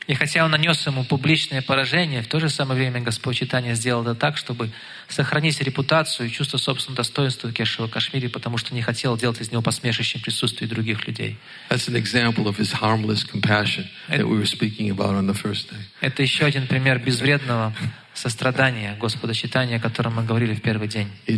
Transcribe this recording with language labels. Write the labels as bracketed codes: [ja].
[ru] И хотя он нанес ему публичное поражение, в то же самое время Господь Читания сделал это так, чтобы сохранить репутацию и чувство собственного достоинства Кешава Кашмири, потому что не хотел делать из него посмешищем присутствие других людей. [en] That's an example of his harmless compassion that we were speaking about on the first day. [ru] Это еще один пример безвредного сострадание Господа Читания, о котором мы говорили в первый день.